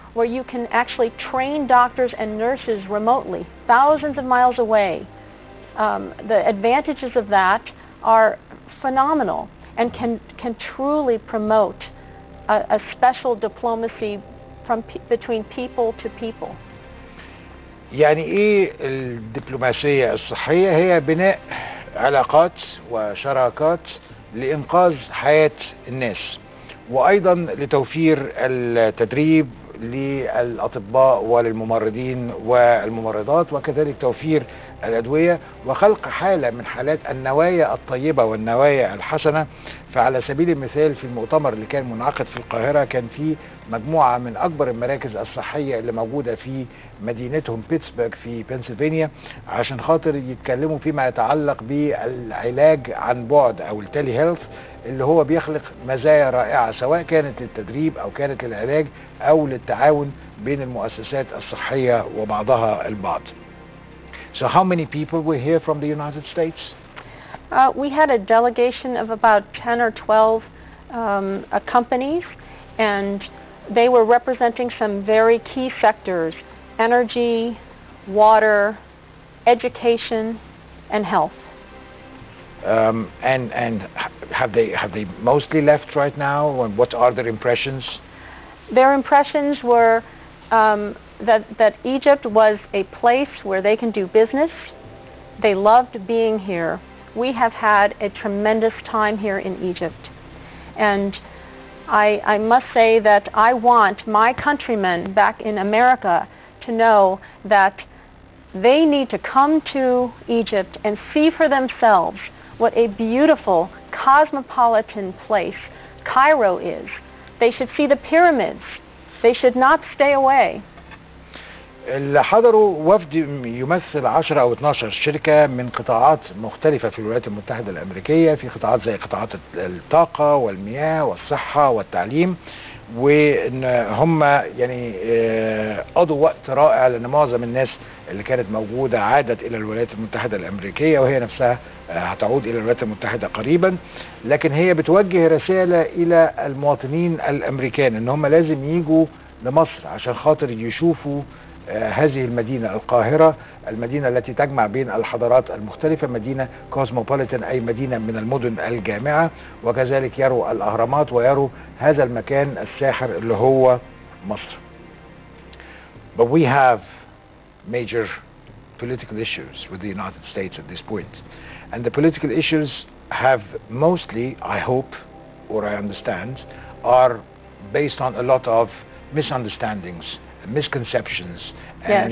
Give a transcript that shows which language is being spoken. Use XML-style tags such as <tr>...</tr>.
<en>where you can actually train doctors and nurses remotely, thousands of miles away. The advantages of that are phenomenal and can truly promote a special diplomacy from between people to people.</en> <ar>يعني ايه الدبلوماسية الصحية؟ هي بناء علاقات وشراكات لإنقاذ حياة الناس، وأيضا لتوفير التدريب للأطباء وللممرضين والممرضات، وكذلك توفير الأدوية وخلق حالة من حالات النوايا الطيبة والنوايا الحسنة. فعلى سبيل المثال، في المؤتمر اللي كان منعقد في القاهرة، كان في مجموعة من أكبر المراكز الصحية اللي موجودة في مدينتهم بيتسبرغ في بنسلفانيا، عشان خاطر يتكلموا فيما يتعلق بالعلاج عن بعد أو التالي هيلث، اللي هو بيخلق مزايا رائعة سواء كانت للتدريب أو كانت للعلاج أو للتعاون بين المؤسسات الصحية وبعضها البعض.</ar> <en>So how many people were here from the United States? We had a delegation of about 10 or 12 companies, and they were representing some very key sectors: energy, water, education, and health. And have they mostly left right now? And what are their impressions? Their impressions were that Egypt was a place where they can do business. They loved being here. We have had a tremendous time here in Egypt. And I must say that I want my countrymen back in America to know that they need to come to Egypt and see for themselves what a beautiful cosmopolitan place Cairo is. They should see the pyramids. They should not stay away.</en> <ar>اللي حضروا وفد يمثل 10 أو 12 شركة من قطاعات مختلفة في الولايات المتحدة الأمريكية، في قطاعات زي قطاعات الطاقة والمياه والصحة والتعليم، وإن هم يعني قضوا وقت رائع، لأن معظم الناس اللي كانت موجودة عادت إلى الولايات المتحدة الأمريكية، وهي نفسها هتعود إلى الولايات المتحدة قريبا، لكن هي بتوجه رسالة إلى المواطنين الأمريكان إن هم لازم يجوا لمصر عشان خاطر يشوفوا هذه المدينة القاهرة، المدينة التي تجمع بين الحضارات المختلفة، مدينة كوزموبوليتان، أي مدينة من المدن الجامعة، وكذلك يروا الأهرامات ويروا هذا المكان الساحر اللي هو مصر.</ar> <en>But we have major political issues with the United States at this point. And the political issues have mostly, I hope, or I understand, are based on a lot of misunderstandings, misconceptions, and</en>